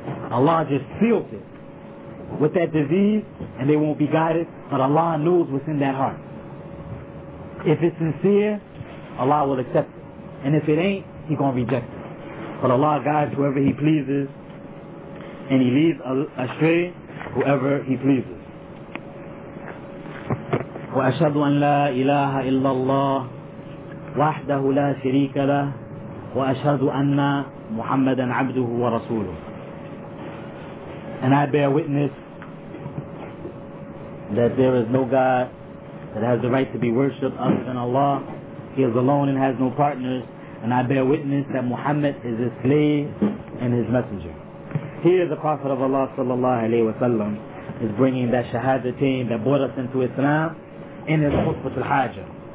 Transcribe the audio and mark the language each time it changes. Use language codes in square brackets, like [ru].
[en] Allah just sealed it with that disease, and they won't be guided, but Allah knows what's in that heart. If it's sincere, Allah will accept it. And if it ain't, he's going to reject it. But Allah guides whoever he pleases, and he leads astray whoever he pleases. [ar] وأشهد أن لا إله إلا الله وحده لا شريك له وأشهد أن محمدا عبده ورسوله. [en] And I bear witness that there is no God that has the right to be worshipped other than Allah. He is alone and has no partners. And I bear witness that Muhammad is his slave and his messenger. Here the Prophet of Allah sallallahu alayhi wa sallam is bringing that shahadatain that brought us into Islam in his khutbat al-hajah.